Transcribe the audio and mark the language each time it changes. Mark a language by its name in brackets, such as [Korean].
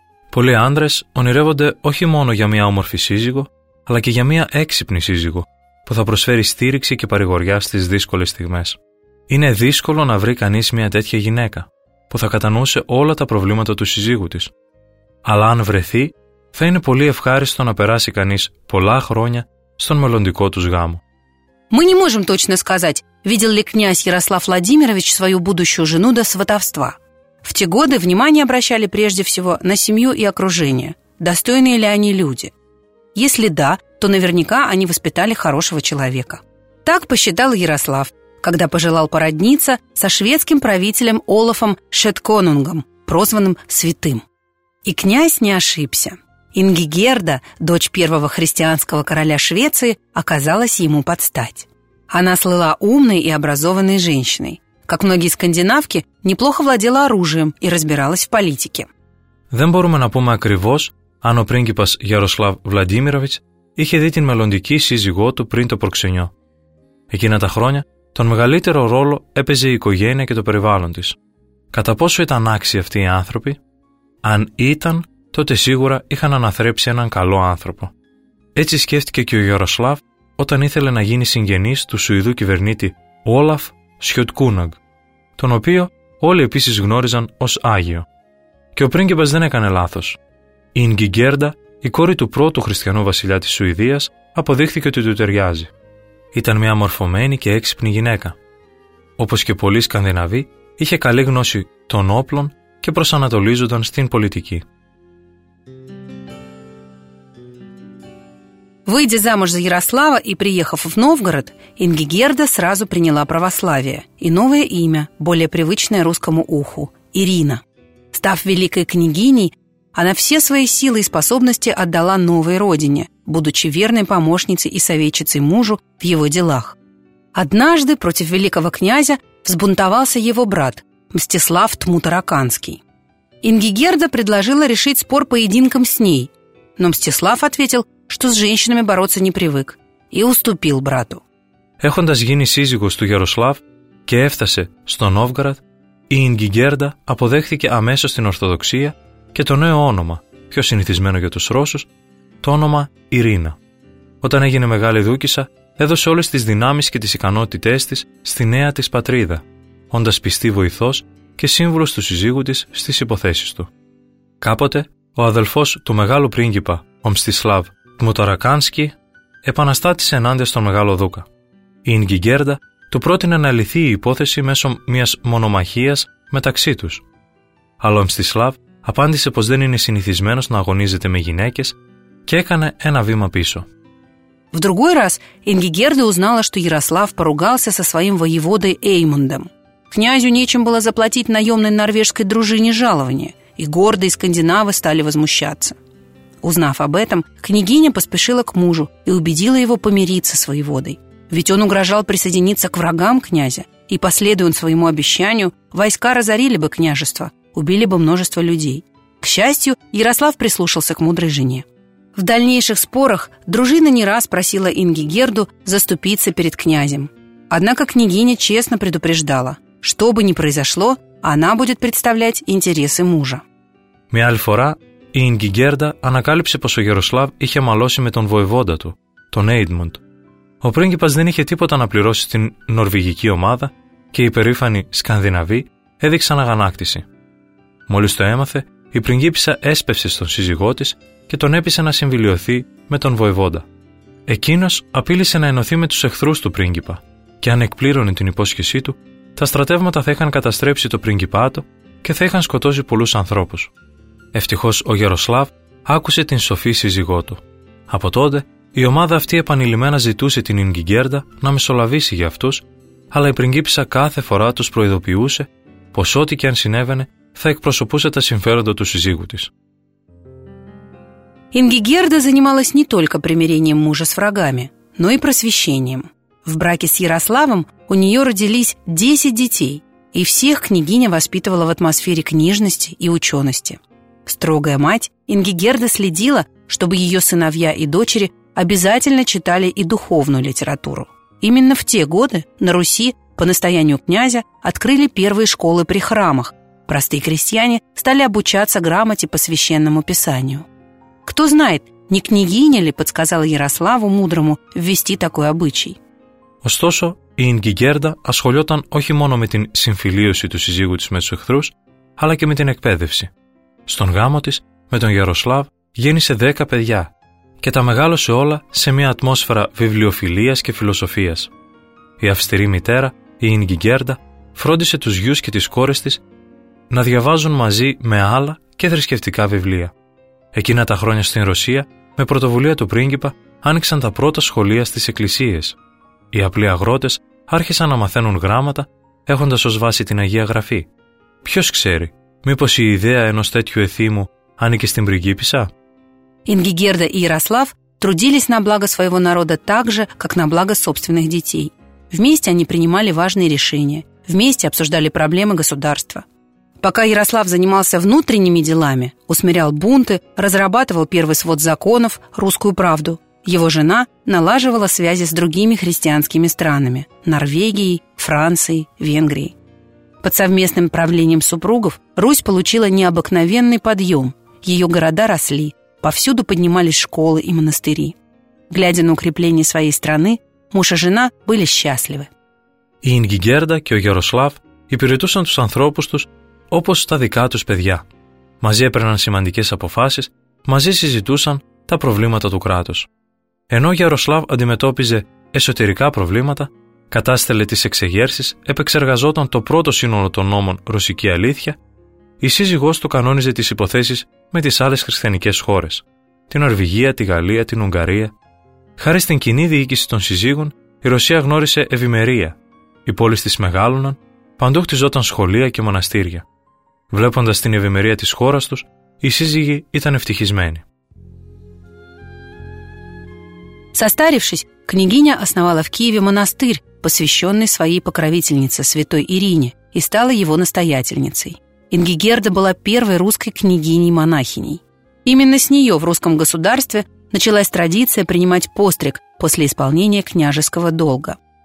[Greek] Πολλοί άντρες ονειρεύονται όχι μόνο για μια όμορφη σύζυγο, αλλά και για μια έξυπνη σύζυγο, που θα προσφέρει στήριξη και παρηγοριά στις δύσκολες στιγμές. Είναι δύσκολο να βρει κανείς μια τέτοια γυναίκα, που θα κατανοούσε όλα τα προβλήματα του συζύγου της. Αλλά αν βρεθεί, θα είναι πολύ ευχάριστο να περάσει κανείς πολλά χρόνια στον μελλοντικό τους γάμο. [Russian] Мы не можем точно сказать, видел ли князь Ярослав Владимирович свою будущую жену до сватовства. В те годы внимание обращали прежде всего на семью и окружение, достойные ли они люди. Если да, то наверняка они воспитали хорошего человека. Так посчитал Ярослав, когда пожелал породниться со шведским правителем Олафом Шетконунгом, прозванным «Святым». И князь не ошибся. Ингигерда, дочь первого христианского короля Швеции, оказалась ему под стать. Она слыла умной и образованной женщиной. Как многие скандинавки, неплохо владела оружием и разбиралась в политике. [Greek] Δεν μπορούμε να πούμε ακριβώς, αν ο πρίγκιπας Ярослав Владимирович είχε δει την μελλοντική σύζυγό του πριν το προξενιό. Εκείνα τα χρόνια, τον μεγαλύτερο ρόλο έπαιζε η οικογένεια και το περιβάλλον της. Κατά πόσο ήταν άξιοι αυτοί οι άνθρωποι? Αν ήταν, τότε σίγουρα είχαν αναθρέψει έναν καλό άνθρωπο. Έτσι σκέφτηκε και ο Γιαροσλάβ όταν ήθελε να γίνει συγγενής του Σουηδού κυβερνήτη Όλαφ Σιωτκούναγκ, τον οποίο όλοι επίσης γνώριζαν ως Άγιο. Και ο πρίγκιπας δεν έκανε λάθος. Η Ινγκιγκέρντα, η κόρη του πρώτου χριστιανού βασιλιά της Σουηδίας, αποδείχθηκε ότι του ταιριάζει. Ήταν μια μορφωμένη και έξυπνη γυναίκα. Όπως και πολλοί Σκανδιναβοί, είχε καλή γνώση των όπλων και προσανατολίζονταν στην πολιτική. [Russian] Выйдя замуж за Ярослава и приехав в Новгород, Ингигерда сразу приняла православие и новое имя, более привычное русскому уху – Ирина. Став великой княгиней, она все свои силы и способности отдала новой родине, будучи верной помощницей и советчицей мужу в его делах. Однажды против великого князя взбунтовался его брат Мстислав Тмутараканский. Ингигерда предложила решить спор поединком с ней, но Мстислав ответил, что с женщинами бороться не привык, и уступил брату. [Greek] Έχοντας γίνει σύζυγος του Γιαροσλάβ και έφτασε στο Νόβγαρδ, η Ινγκιγκέρντα αποδέχθηκε αμέσως την Ορθοδοξία και το νέο όνομα, πιο συνηθισμένο για τους Ρώσους, το όνομα Ειρήνα. Όταν έγινε μεγάλη δούκισσα, έδωσε όλες τις δυνάμεις και τις ικανότητές της στη νέα της πατρίδα, όντας πιστή βοηθός και σύμβουλος του συζύγου της στις υποθέσεις του. Κάποτε, ο αδελφός του μεγάλου πρίγκιπα, ο Μστισλάβ Τμουταρακάνσκι, επαναστάτησε ενάντια στον μεγάλο δούκα. Η Ινγκιγκέρντα του πρότεινε να λυθεί η υπόθεση μέσω μιας μονομαχίας μεταξύ τους. Αλλά ο Μστισλάβ απάντησε πως δεν είναι συνηθισμένος να αγωνίζεται με γυναίκες και έκανε ένα βήμα πίσω. [Russian] В другой раз Ингигерда узнала, что Ярослав поругался со своим воеводой Эймундом. Князю нечем было заплатить наемной норвежской дружине жалование, и гордые скандинавы стали возмущаться. Узнав об этом, княгиня поспешила к мужу и убедила его помириться с воеводой. Ведь он угрожал присоединиться к врагам князя, и, последуя он своему обещанию, войска разорили бы княжество, убили бы множество людей. К счастью, Ярослав прислушался к мудрой жене. В дальнейших спорах дружина не раз просила Ингигерду заступиться перед князем. Однако княгиня честно предупреждала, что бы ни произошло, она будет представлять интересы мужа. Мяльфора и Ингигерда [Greek] ανακάλυψε πως ο Γεροσλάβ είχε μαλώσει με τον βοηβόντα του, τον Έιντμοντ. Ο πρίγκιπας δεν είχε τίποτα να πληρώσει στην νορβηγική ομάδα και οι περήφανοι Σκανδιναβοί έδειξαν αγανάκτηση. Μόλις το έμαθε, η πριγκίπισσα έσπευσε στον σύζυγό της και τον έπεισε να συμβιλειωθεί με τον βοηβόντα. Εκείνος απείλησε να ενωθεί με τους εχθρούς του πρίγκιπα και αν εκπλήρωνε την υπόσχεσή του, τα στρατεύματα θα είχαν καταστρέψει το πριγκιπάτο και θα είχαν σκοτώσει πολλούς ανθρώπους. Ευτυχώς ο Γεροσλάβ άκουσε την σοφή σύζυγό του. Από τότε, η ομάδα αυτή επανειλημμένα ζητούσε την Ινγκιγκέρντα να μεσολαβήσει για αυτούς, αλλά η πριγκίπισσα κάθε φορά τους προειδοποιούσε πως ό,τι και αν συνέβαινε θα εκπροσωπούσε τα συμφέροντα του σύζυγου της. Η Ινγκιγκέρντα [Russian] занималась не только примирением мужа с врагами, но и просвещением. В браке с Ярославом у нее родились 10 детей, и всех княгиня воспитывала в атмосфере книжности и учености. Строгая мать, Ингигерда следила, чтобы ее сыновья и дочери обязательно читали и духовную литературу. Именно в те годы на Руси, по настоянию князя, открыли первые школы при храмах. Простые крестьяне стали обучаться грамоте по священному писанию. Кто знает, не княгиня ли подсказала Ярославу Мудрому ввести такой обычай? [Greek] Ωστόσο, η Ινγκιγκέρντα ασχολιόταν όχι μόνο με την συμφιλίωση του σύζυγου της με τους εχθρούς, αλλά και με την εκπαίδευση. Στον γάμο της, με τον Γεροσλάβ, γέννησε 10 παιδιά και τα μεγάλωσε όλα σε μια ατμόσφαιρα βιβλιοφιλίας και φιλοσοφίας. Η αυστηρή μητέρα, η Ινγκιγκέρντα, φρόντισε τους γιους και τις κόρες της να διαβάζουν μαζί με άλλα και θρησκευτικά βιβλία. Εκείνα τα χρόνια στην Ρωσία, με πρωτοβουλία του πρίγκιπα, άνοιξαν τα πρώτα σχολεία στις εκκλησίες. Οι απλοί αγρότες άρχισαν να μαθαίνουν γράμματα, έχοντας ως βάση την Αγία Γραφή. Ποιος ξέρει, μήπως η ιδέα ενός τέτοιου εθήμου άνοικε στην πριγκίπισσα? [Russian] Ингигерда и Ярослав трудились на благо своего народа так же, как на благо собственных детей. Вместе они принимали важные решения, вместе обсуждали проблемы государства. Пока Ярослав занимался внутренними делами, усмирял бунты, разрабатывал первый свод законов, русскую правду, его жена налаживала связи с другими христианскими странами – Норвегией, Францией, Венгрией. Под совместным правлением супругов Русь получила необыкновенный подъем. Ее города росли, повсюду поднимались школы и монастыри. Глядя на укрепление своей страны, муж и жена были счастливы. [Greek] Η Ингигерда και ο Γεροσλάβ υπηρετούσαν τους ανθρώπους τους όπως τα δικά τους παιδιά. Μαζί έπαιρναν σημαντικές αποφάσεις, μαζί συζητούσαν τα προβλήματα του κράτους. Ενώ ο Γεροσλάβ αντιμετώπιζε εσωτερικά προβλήματα, κατάστελε τις εξεγέρσεις, επεξεργαζόταν το πρώτο σύνολο των νόμων «Ρωσική αλήθεια», η σύζυγός του κανόνιζε τις υποθέσεις με τις άλλες χριστιανικές χώρες, την Νορβηγία, τη Γαλλία, την Ουγγαρία. Χάρη στην κοινή διοίκηση των συζύγων, η Ρωσία γνώρισε ευημερία. Οι πόλεις της μεγάλωναν, παντού χτιζόταν σχολεία και μοναστήρια. Βλέποντας την ευημερία της χώρας τους, οι σύζυγοι ήταν ευτυχισμένοι. [Russian] Состарившись, княгиня основала в Киеве монастырь, посвященный своей покровительнице, святой Ирине, и стала его настоятельницей. Ингигерда была первой русской княгиней-монахиней. Именно с нее в русском государстве началась традиция принимать постриг после исполнения княжеского долга.